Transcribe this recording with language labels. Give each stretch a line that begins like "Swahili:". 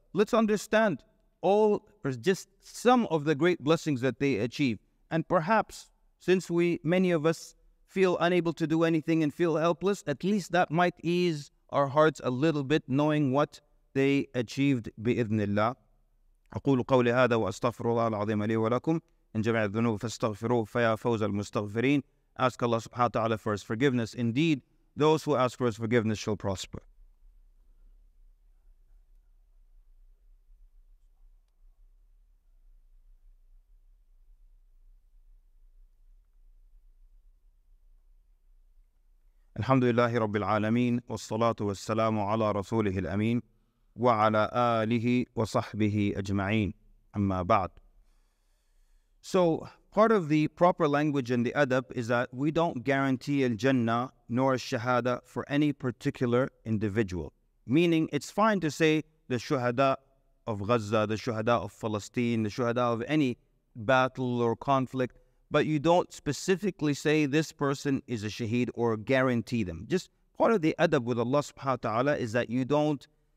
English: Let's understand all, or just some of the great blessings that they achieve. And perhaps, since we, many of us, feel unable to do anything and feel helpless, at least that might ease our hearts a little bit, knowing what they achieved, bi-idhnillah.
Arabic: أقول قولي هذا وأستغفر الله العظيم لي ولكم إن جميع الذنوب فاستغفروه فيا فوز المستغفرين.
English: Ask Allah subhanahu wa ta'ala for His forgiveness. Indeed, those who ask for His forgiveness shall prosper.
Arabic: الحمد لله رب العالمين والصلاة والسلام على رسوله الأمين وعلى آله وصحبه أجمعين أما بعد.
English: So part of the proper language and the adab is that we don't guarantee al-jannah nor al-shahada for any particular individual. Meaning it's fine to say the shuhada of Gaza, the shuhada of Palestine, the shuhada of any battle or conflict, but you don't specifically say this person is a shaheed or guarantee them. Just part of the adab with Allah subhanahu wa ta'ala is that you don't